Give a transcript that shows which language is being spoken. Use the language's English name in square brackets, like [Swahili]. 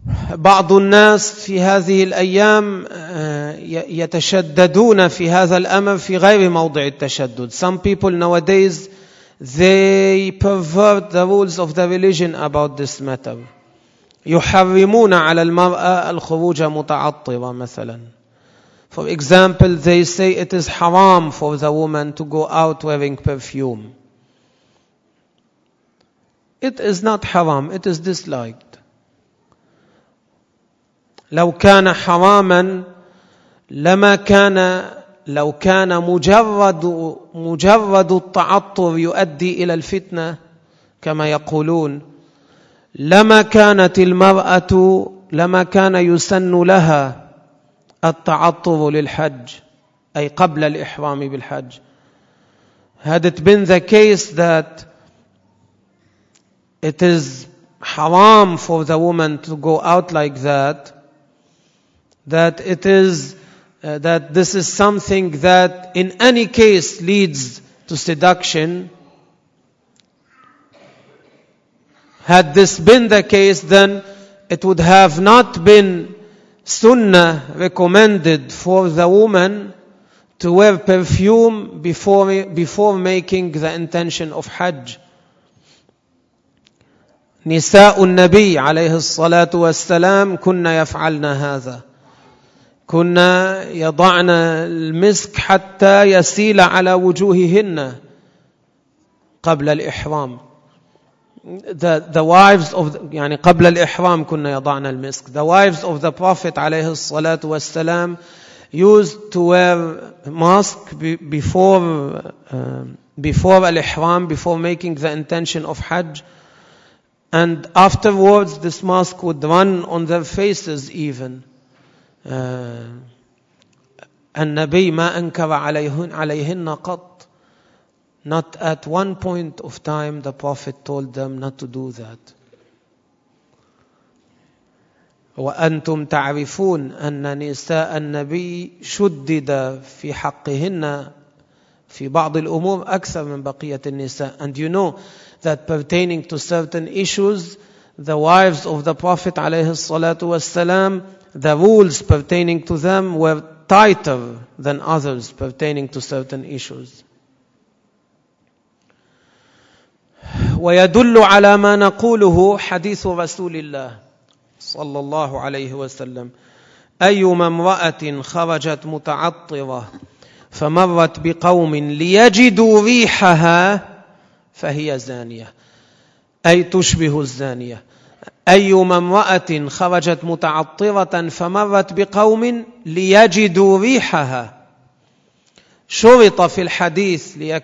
[Arabic] بعض الناس في هذه الأيام يتشددون في هذا الأمر في غير موضع التشدد. [English] Some people nowadays, they pervert the rules of the religion about this matter. [Arabic] يحرمون على المرأة الخروج متعطرة مثلا. [English] For example, they say it is haram for the woman to go out wearing perfume. It is not haram, it is disliked. [Arabic] لو كان حراما لما كان لو كان مجرد التعطر يؤدي إلى الفتنة كما يقولون لما كانت المرأة لما كان يسن لها التعطر للحج أي قبل الإحرام بالحج. [English] Had it been the case that it is haram for the woman to go out like that, that it is that this is something that in any case leads to seduction, had this been the case, then it would have not been sunnah recommended for the woman to wear perfume before making the intention of hajj. [Arabic] نساء النبي عليه الصلاة والسلام كنا يفعلنا هذا كنا يضعنا المسك حتى يسيل على وجوههن قبل الإحرام. [English] The wives of [Arabic] يعني قبل الإحرام كنا يضعنا المسك. [English] The wives of the Prophet [Arabic] عليه الصلاة والسلام [English] used to wear mask before الإحرام, before making the intention of Hajj, and afterwards this mask would run on their faces even. [Arabic] النبي ما أنكر عليهن قط [English] Not at one point of time the Prophet told them not to do that. [Arabic] وَأَنْتُمْ تَعْرِفُونَ أَنَّ نِسَاءَ النَّبِيِّ شُدِّدَ فِي حَقِّهِنَّ فِي بَعْضِ الْأُمُورِ أَكْثَرَ مِنْ بَقِيَةِ النِّسَاءِ. [English] And you know that pertaining to certain issues, the wives of the Prophet [Arabic] عليه الصلاة والسلام, [English] the rules pertaining to them were tighter than others pertaining to certain issues. [Arabic] وَيَدُلُّ عَلَى مَا نَقُولُهُ حَدِيثُ رَسُولِ اللَّهِ صلى الله عليه وسلم أيما امرأة خرجت متعطرة فمرت بقوم ليجدوا ريحها فهي زانية أي تشبه الزانية أيما امرأة خرجت متعطرة فمرت بقوم ليجدوا ريحها شرط في الحديث